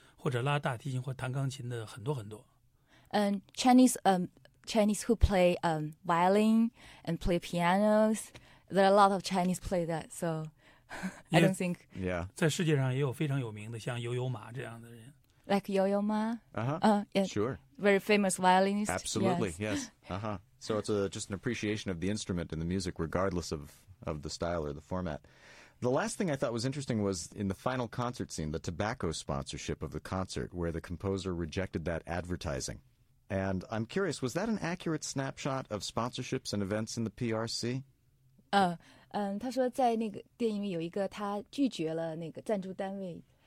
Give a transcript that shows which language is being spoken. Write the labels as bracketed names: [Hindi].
[Chinese] 中国拉小提琴或者拉大提琴或弹钢琴的很多很多。 [English] Chinese who play violin and play pianos, there are a lot of Chinese play that, so I don't think. Yeah. [Chinese] 在世界上也有非常有名的像悠悠马这样的人。 [English] Like Yo-Yo Ma? Yeah. Sure. Very famous violinist. Absolutely, yes. So it's just an appreciation of the instrument and the music, regardless of the style or the format. The last thing I thought was interesting was in the final concert scene, the tobacco sponsorship of the concert, where the composer rejected that advertising. And I'm curious, was that an accurate snapshot of sponsorships and events in the PRC? [Chinese] 他说在那个电影里有一个他拒绝了那个赞助单位。